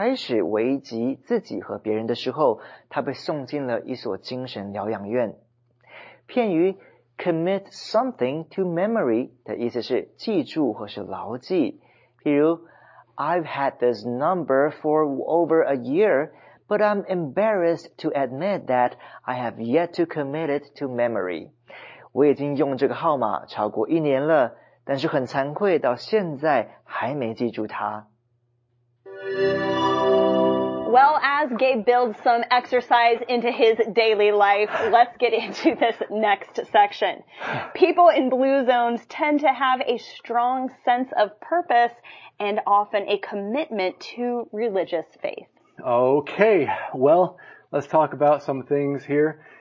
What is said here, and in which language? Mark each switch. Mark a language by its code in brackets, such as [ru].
[zh] 当他令人担忧的幻觉开始危及自己和别人的时候, 他被送进了一所精神疗养院。片语 [en] commit something to memory [zh] 的意思是记住或是牢记。譬如, [en] I've had this number for over a year, but I'm embarrassed to admit that I have yet to commit it to memory. [zh] 我已经用这个号码超过一年了,但是很惭愧到现在还没记住它。Well, [en] as Gabe builds some exercise into his daily life, let's get into this next section. People in blue zones tend to have a strong sense of purpose and often a commitment to religious faith. Okay, well, let's talk about some things here.